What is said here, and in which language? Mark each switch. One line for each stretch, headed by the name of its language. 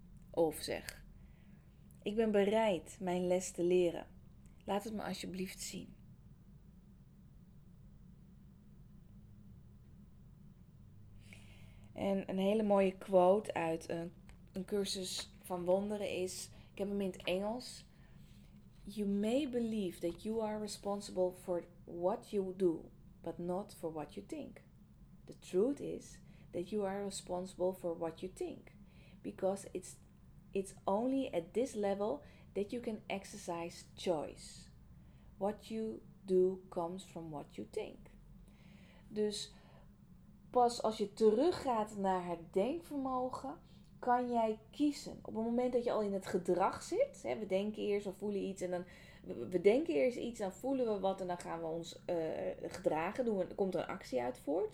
Dutch: Of zeg: ik ben bereid mijn les te leren. Laat het me alsjeblieft zien. En een hele mooie quote uit een cursus van wonderen is: ik heb hem in het Engels.
English: You may believe that you are responsible for what you do, but not for what you think. The truth is that you are responsible for what you think. Because it's only at this level that you can exercise choice. What you do comes from what you think.
Dutch: Dus pas als je teruggaat naar het denkvermogen, kan jij kiezen. Op het moment dat je al in het gedrag zit, hè, we denken eerst of voelen iets en dan we denken eerst iets, dan voelen we wat en dan gaan we ons gedragen, komt er een actie uit voort.